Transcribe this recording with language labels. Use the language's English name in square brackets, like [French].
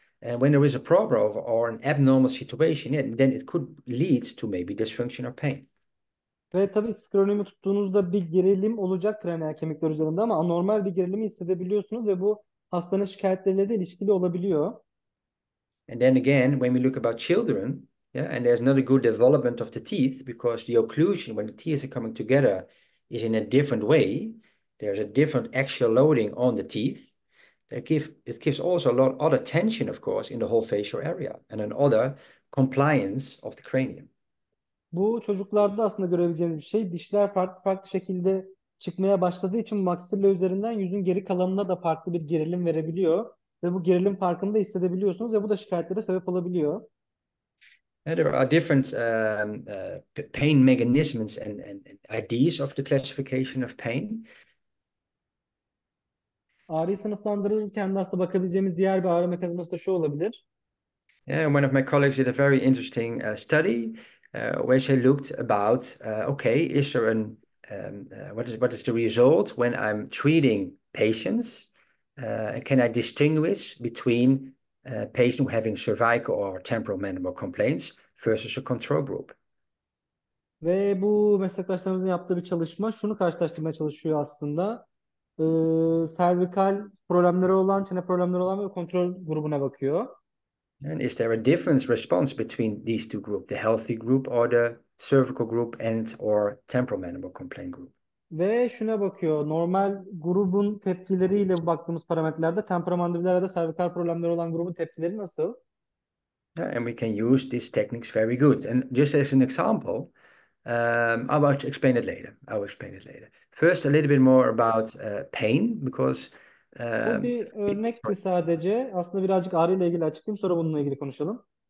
[English] And when there is a problem or an abnormal situation, then it could lead to maybe dysfunction or pain. [Turkish] Ve tabii skleronomi tuttuğunuzda bir gerilim olacak kranial kemikler üzerinde ama anormal bir gerilimi hissedebiliyorsunuz ve bu hastanın şikayetleriyle de ilişkili olabiliyor. [English] And then again, when we look about children, and there's not a good development of the teeth because the occlusion when the teeth are coming together is in a different way. There's a different axial loading on the teeth. It gives also a lot of other tension, of course, in the whole facial area and another compliance of the cranium. [Turkish] Bu çocuklarda aslında görebileceğiniz bir şey. Dişler farklı farklı şekilde çıkmaya başladığı için maksirle üzerinden yüzün geri kalanına da farklı bir gerilim verebiliyor. Ve bu gerilim farkını da hissedebiliyorsunuz ve bu da şikayetlere sebep olabiliyor. [English] There are different pain mechanisms and ideas of the classification of pain. [Turkish] Ağrıyı sınıflandırırken de aslında bakabileceğimiz diğer bir ağrı mekanizması da şu olabilir. [English] And one of my colleagues did a very interesting study where she looked about okay, is there an what is the result when I'm treating patients? Can I distinguish between a patient having cervical or temporal mandible complaints versus a control group? [Turkish] Ve bu meslektaşlarımızın yaptığı bir çalışma şunu karşılaştırmaya çalışıyor aslında. Servikal problemleri olan, çene problemleri olan ve kontrol grubuna bakıyor. [English] And is there a difference response between these two groups, the healthy group or the cervical group and or temporomandibular complaint group? [Turkish] Ve şuna bakıyor. Normal grubun tepkileriyle baktığımız parametrelerde temporomandibüler ya da servikal problemleri olan grubun tepkileri nasıl? [English] And we can use these techniques very good. And just as an example, I will explain it later. I will explain it later. First, a little bit more about pain because [Turkish] Bu bir örnekti sadece. Aslında birazcık ağrıyla ilgili açıklayayım. Sonra bununla ilgili konuşalım.